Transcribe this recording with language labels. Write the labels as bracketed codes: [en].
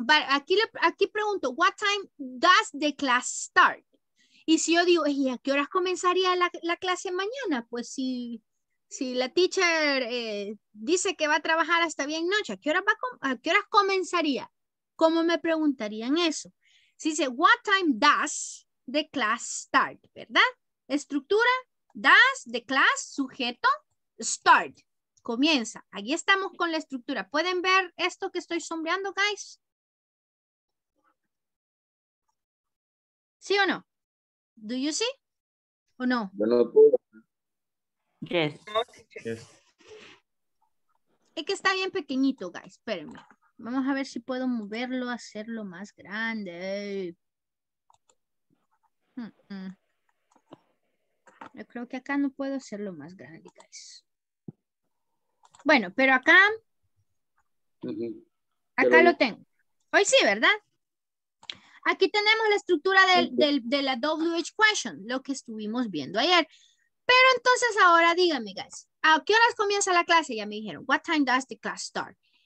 [es] Aquí pregunto, [en] what time does the class start? [es] Y si yo digo, ¿y a qué horas comenzaría la clase mañana? Pues si la teacher dice que va a trabajar hasta bien noche, ¿a qué horas comenzaría? ¿Cómo me preguntarían eso? Si dice, [en] what time does the class start? [es] ¿Verdad? Estructura, does, the class, sujeto, start, comienza. Aquí estamos con la estructura. ¿Pueden ver esto que estoy sombreando, guys? ¿Sí o no? [en] ¿Do you see? [es] ¿O no? [en] Yes. [es] Es que está bien pequeñito, guys. Espérenme. Vamos a ver si puedo moverlo, hacerlo más grande. Yo creo que acá no puedo hacerlo más grande, guys. Bueno, pero acá. Uh-huh. Acá pero... lo tengo. Hoy sí, ¿verdad? Aquí tenemos la estructura de la WH question, lo que estuvimos viendo ayer. Pero entonces ahora díganme, guys, ¿a qué horas comienza la clase? Ya me dijeron, [en] what time does the class start?